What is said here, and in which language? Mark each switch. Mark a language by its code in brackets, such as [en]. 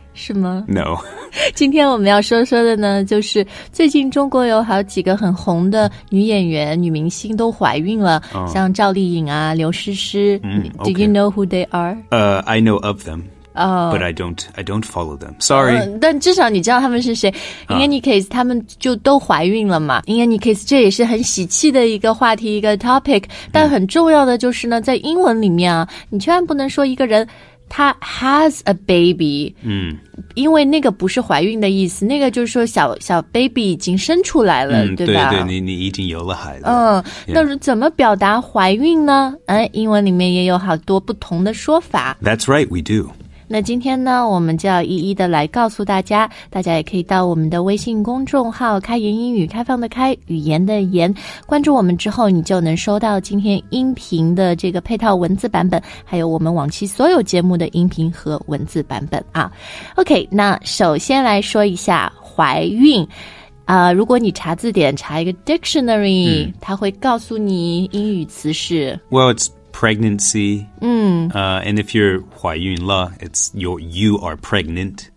[zh] 是吗 [en] No [zh] 今天我们要说说的呢就是最近中国有好几个很红的女演员女明星都怀孕了、像赵丽颖啊刘诗诗、 [en] Do you know who they are? I know of themBut I don't follow them. Sorry. [zh] 但至少你知道他们是谁。 [en] In any case, [zh] 他们就都怀孕了嘛。In any case, 这也是很喜气的一个话题一个 topic. 但很重要的就是呢在英文里面啊你千万不能说一个人他 [en] has a baby. [zh] 因为那个不是怀孕的意思那个就是说小 baby 已经生出来了、对吧对对 你已经有了孩子。那怎么表达怀孕呢英文里面也有好多不同的说法。 [en] That's right, we do. [zh] 那今天呢我们就要一一的来告诉大家大家也可以到我们的微信公众号开言英语开放的开语言的言关注我们之后你就能收到今天音频的这个配套文字版本还有我们往期所有节目的音频和文字版本啊 OK 那首先来说一下怀孕如果你查字典查一个 dictionary、它会告诉你英语词是 [en] Well it'spregnancy and if you're [zh] 怀孕了 [en] it's you are pregnant